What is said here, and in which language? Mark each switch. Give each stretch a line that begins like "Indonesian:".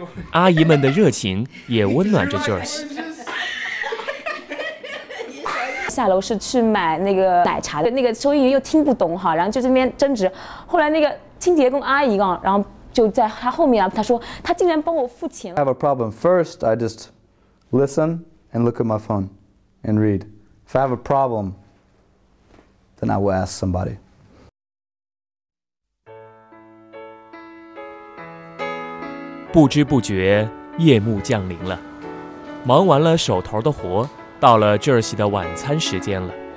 Chinese: 阿姨们的热情也温暖着 Joyce。下楼是去买那个奶茶的，那个收银员又听不懂哈，然后就这边争执。后来那个清洁工阿姨啊，然后就在他后面啊，他说他竟然帮我付钱。
English: I have a problem. First, I just listen and look at my phone and read. If I have a problem, then I will ask somebody.
Chinese: 不知不觉夜幕降临了，忙完了手头的活，到了 Joshua 的晚餐时间了。